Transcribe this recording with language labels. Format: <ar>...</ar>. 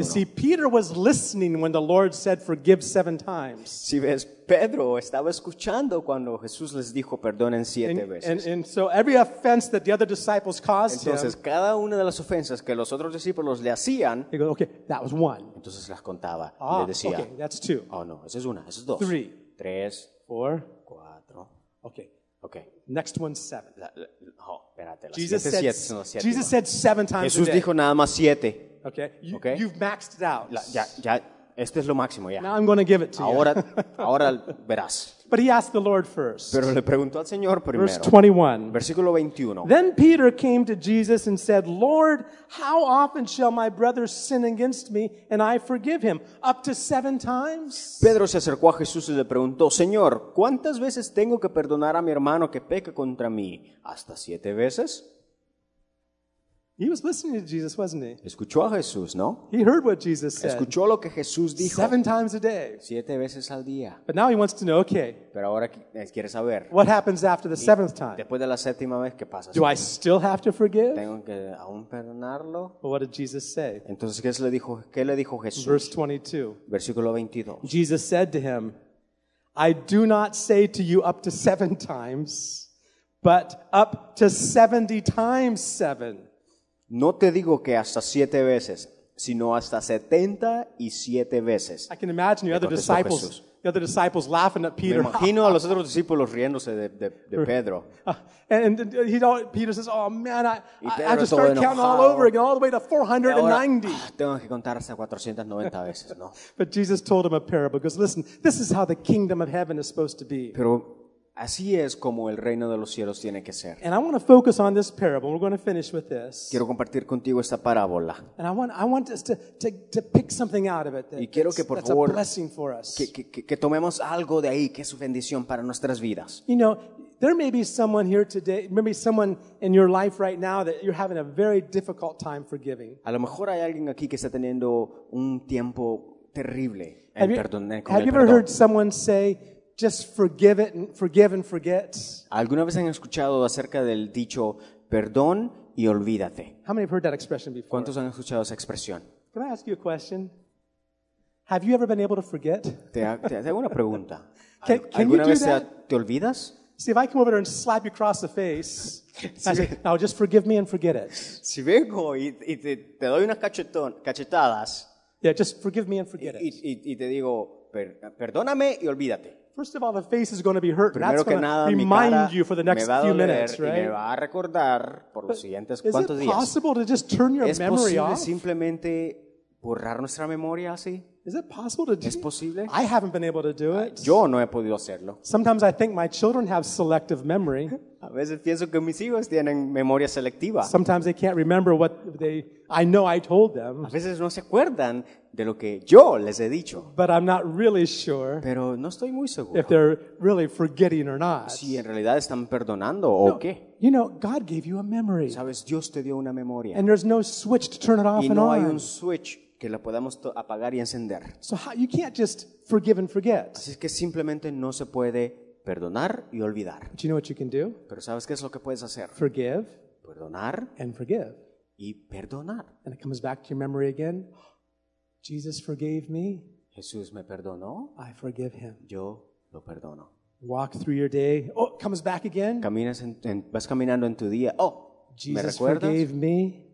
<en>You see, Peter was listening when the Lord said, forgive 7 times.</en> <es>Si ves, Pedro estaba escuchando cuando Jesús les dijo, perdonen 7 veces.</es> <en>And so every offense that the other disciples caused</en> <es>entonces,</es> <en>him.</en> <es>Entonces, cada una de las ofensas que los otros discípulos le hacían.</es> <en>He goes, okay, that was one.</en> <es>Entonces las contaba. Ah, le decía,</es> <en>okay, that's two.</en> <es>Oh, no, esa es una, esa es dos.</es> <en>Three.</en> <es>Tres.</es> <en>Four.</en> <es>Cuatro.</es> <en>Okay. Okay. Next one, 7. Jesus said 7 times.</en> <es>Jesús dijo nada más 7.</es> <en>Okay. You've maxed it out.</en> <es>Ya, este es lo máximo ya.</es> <en>Now I'm going to give it to</en> <es>ahora,</es> <en>you.</en> <es>Ahora verás.</es> <en>But he asked the Lord first.</en> <es>Pero le preguntó al Señor primero.</es> <en>Verse 21.</en> <es>Versículo 21.</es> <en>Then Peter came to Jesus and said, Lord, how often shall my brother sin against me and I forgive him? Up to 7 times?</en> <es>Pedro se acercó a Jesús y le preguntó, Señor, ¿cuántas veces tengo que perdonar a mi hermano que peca contra mí? ¿Hasta 7 veces?</es> <en>He was listening to Jesus, wasn't he?</en> <es>Escuchó a Jesús, ¿no?</es> <en>He heard what Jesus said.</en> <es>Escuchó lo que Jesús dijo.</es> <en>7 times a day.</en> <es>7 veces al día.</es> <en>But now he wants to know, okay.</en> <es>Pero ahora quiere saber.</es> <en>What happens after the 7th time?</en> <es>Después de la séptima vez, ¿qué pasa?</es> <en>Do I still have to forgive?</en> <es>¿Tengo que aún perdonarlo?</es> <en>Well, what did Jesus say?</en> <es>Entonces, ¿qué le dijo Jesús?</es> <en>Verse 22.</en> <es>Versículo 22.</es> <en>Jesus said to him, I do not say to you up to 7 times, but up to 70 times 7.</en> <es>No te digo que hasta 7 veces, sino hasta 77 veces.</es> <en>I can imagine your other disciples,</en> <es>Jesús.</es> <en>The other disciples laughing at Peter.</en> <es>Me imagino a los otros discípulos riéndose de Pedro.</es> <en>And he, you know, Peter says, "Oh man, I just started counting all over again, all the way to 490."</en> <es>Tengo que contar hasta 490 veces, ¿no?</es> <en>But Jesus told him a parable because listen, this is how the kingdom of heaven is supposed to be.</en> <es>Pero así es como el reino de los cielos tiene que ser.</es> <en>And I want to focus on this parable. We're going to finish with this.</en> <es>Quiero compartir contigo esta parábola.</es> <en>And I want us to pick something out of it.</en> <es>Y quiero que por favor,</es> <en>that's a blessing for us.</en> <es>Que tomemos algo de ahí, que es su bendición para nuestras vidas.</es> <en>You know, there may be someone here today, maybe someone in your life right now that you're having a very difficult time forgiving.</en> <es>A lo mejor hay alguien aquí que está teniendo un tiempo terrible en perdonar.</es> <en>Have you ever heard someone say, just forgive it and forgive and forget?</en> <es>¿Alguna vez han escuchado acerca del dicho perdón y olvídate?</es> <en>How many have heard that expression before?</en> <es>¿Cuántos han escuchado esa expresión?</es> <en>Can I ask you a question? Have you ever been able to forget?</en> <es>Te hago una pregunta.</es> <en>Can</en> <es>¿Alguna</es> <en>you</en> <es>vez</es> <en>do that?</en> <es>Te olvidas?</es> <en>See, if I come over there and slap you across the face, I say, now just forgive me and forget it.</en> <es>Si vengo y te doy unas cachetadas.</es> <en>Yeah, just forgive me and forget it.</en> <es>Y te digo, perdóname y olvídate.</es> <en>First of all, the face is going to be hurt.</en> <es>Primero</es> <en>that's going</en> <es>nada,</es> <en>to remind you for the next few minutes, right?</en> <es>Me va a recordar por los siguientes cuántos días.</es> <en>Is it possible to just turn your memory off?</en> <es>¿Es posible simplemente borrar nuestra memoria así?</es> <en>Is it possible to do?</en> <es>¿Es posible?</es> <en>I haven't been able to do it.</en> <es>Yo no he podido hacerlo.</es> <en>Sometimes I think my children have selective memory.</en> <es>A veces pienso que mis hijos tienen memoria selectiva.</es> <en>Sometimes they can't remember what I know I told them.</en> <es>A veces no se acuerdan de lo que yo les he dicho.</es> <en>But I'm not really sure.</en> <es>Pero no estoy muy seguro.</es> <en>If they're really forgetting or not.</en> <es>Si en realidad están perdonando o qué.</es> <en>You know, God gave you a memory.</en> <es>Sabes, Dios te dio una memoria.</es> <en>And there's no switch to turn it off and on.</en> <es>Y no hay un switch que la podamos apagar y encender.</es> <en>So you can't just forgive and forget.</en> <es>Así es que simplemente no se puede perdonar y olvidar.</es> <en>But you know what you can do?</en> <es>Pero ¿sabes qué es lo que puedes hacer?</es> <en>Forgive.</en> <es>Perdonar.</es> <en>And forgive.</en> <es>Y perdonar.</es> <en>And it comes back to your memory again. Jesus forgave me.</en> <es>Jesús me perdonó.</es> <en>I forgive him.</en> <es>Yo lo perdono.</es> <en>Walk through your day. Oh, comes back again.</en> <es>Caminas en vas caminando en tu día. Oh,</es> <en>Jesus,</en> <es>¿me recuerdas?</es> <en>Forgave me.</en>